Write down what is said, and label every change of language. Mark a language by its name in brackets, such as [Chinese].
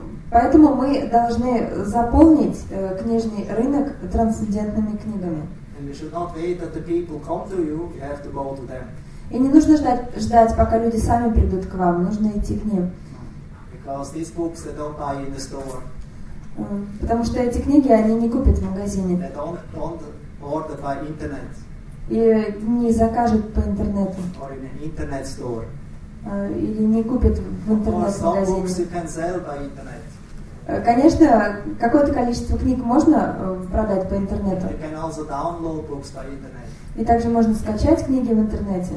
[Russian] Поэтому мы должны заполнить книжный рынок трансцендентными книгами. [English] And we should not wait that the people come to you, you have to go to them. [Russian] И не нужно ждать, пока люди сами придут к вам, нужно идти к ним. [English] Because these books they don't buy in the store. [Russian] Потому что эти книги они не купят в магазине. [English] They don't order by internet. [Russian] И не закажут по интернету. [English] Or in an internet store. [Russian] Или не купят в интернет-магазине. [English] Or some books you can sell by internet. [Russian] Конечно, какое-то количество книг можно продать по интернету. [English] You can also download books by internet. [Russian] И также можно скачать книги в интернете.